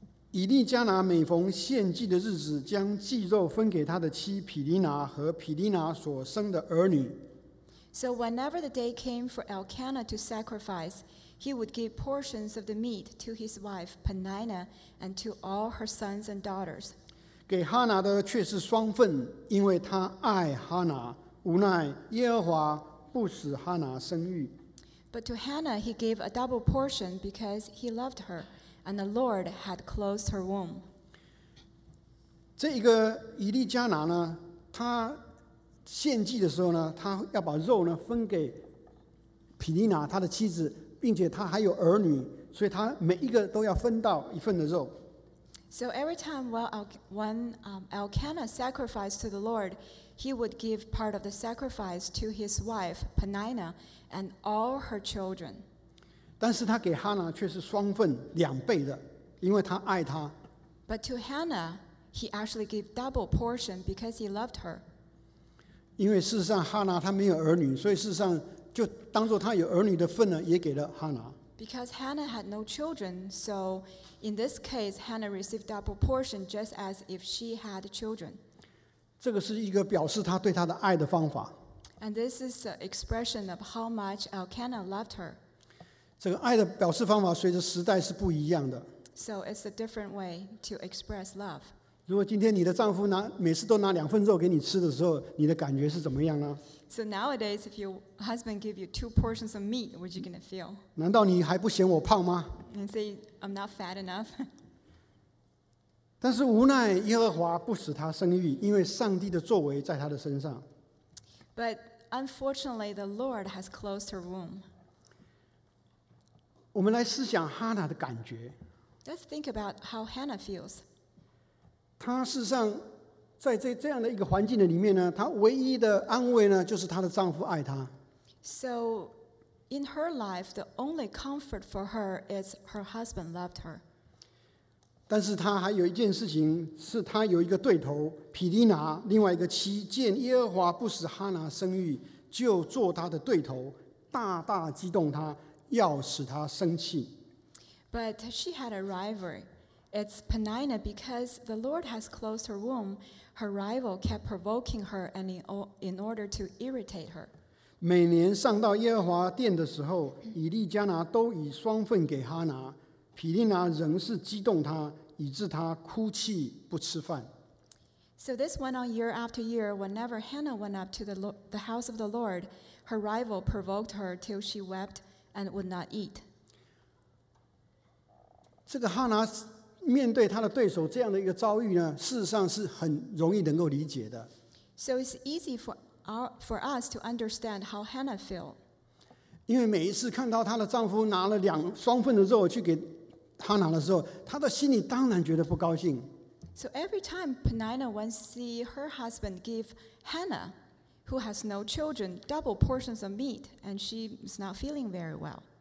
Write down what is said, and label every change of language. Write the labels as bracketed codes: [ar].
[zh] 以利加拿每逢献祭的日子，将祭肉分给他的妻皮利拿和皮利拿所生的儿女。 [en] So whenever the day came for Elkanah to sacrifice, he would give portions of the meat to his wife Peninnah and to all her sons and daughters. [zh] 给哈拿的却是双份，因为他爱哈拿，无奈耶和华不使哈拿生育。 [en] But to Hannah he gave a double portion because he loved her. And the Lord had closed her womb. [zh] 这一个以利加拿呢，他献祭的时候呢，他要把肉呢分给皮利拿他的妻子，并且他还有儿女，所以他每一个都要分到一份的肉。 [en] So every time when Elkanah sacrificed to the Lord, he would give part of the sacrifice to his wife Peninnah and all her children. [zh] 但是他给哈拿却是双份两倍的，因为他爱她。 [en] But to Hannah, he actually gave double portion because he loved her. [zh] 因为事实上哈拿她没有儿女，所以事实上就当作她有儿女的份呢，也给了哈拿。 [en] Because Hannah had no children, so in this case, Hannah received double portion just as if she had children. [zh] 这个是一个表示他对她的爱的方法。 [en] And this is an expression of how much Elkanah loved her. [zh] 这个爱的表示方法随着时代是不一样的。 [en] So it's a different way to express love. [zh] 如果今天你的丈夫每次都拿两份肉给你吃的时候，你的感觉是怎么样呢 [en] ？So nowadays, if your husband give you two portions of meat, what are you going to feel? [zh] 难道你还不嫌我胖吗 [en] ？And say I'm not fat enough. [zh] 但是无奈耶和华不使他生育，因为上帝的作为在他的身上。 [en] But unfortunately, the Lord has closed her womb. [zh] 我们来思想哈拿的感觉。 [en] Let's think about how Hannah feels. [zh] 她事实上在 这样的一个环境的里面呢，她唯一的安慰呢，就是她的丈夫爱她。 [en] So in her life, the only comfort for her is her husband loved her. [zh] 但是她还有一件事情，是她有一个对头毗尼拿，另外一个妻，见耶和华不使哈拿生育，就做她的对头，大大激动她，要使她生气。 [en] But she had a rival. It's Penina, because the Lord has closed her womb, her rival kept provoking her and in order to irritate her. [zh] 每年上到耶和华殿的时候，以利加拿都以双份给哈拿，毗尼拿仍是激动她，以致她哭泣不吃饭。 [en] So this went on year after year. Whenever Hannah went up to the house of the Lord, her rival provoked her till she wept and would not eat. [zh] 这个哈拿面对她的对手这样的一个遭遇呢，事实上是很容易能够理解的。 [en] So it's easy for us to understand how Hannah feel. [zh] 因为每一次看到她的丈夫拿了两双份的肉去给哈拿的时候，她的心里当然觉得不高兴。 [en] So every time Penina wants to see her husband give Hannah, who has no children, double portions of meat, and she is not feeling very well.